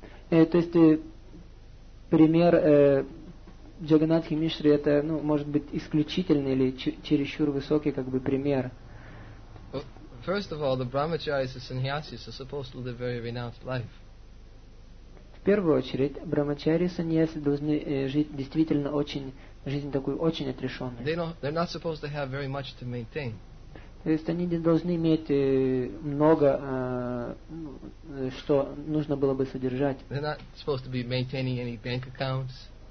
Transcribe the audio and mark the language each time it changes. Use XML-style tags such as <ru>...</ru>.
<ru>То есть пример Джаганатхи Мишри это, ну, может быть исключительный или чересчур высокий как бы пример.</ru> <en>First of all, the brahmacharis and sannyasis are supposed to live very renounced life.</en> <ru>В первую очередь, брахмачари и саньяси должны жить действительно очень жизнь такую очень отрешенную.</ru> <en>They're not supposed to have very much to maintain.</en> <ru>То есть они не должны иметь много, что нужно было бы содержать.</ru> <en>They're not supposed to be maintaining any bank accounts.</en>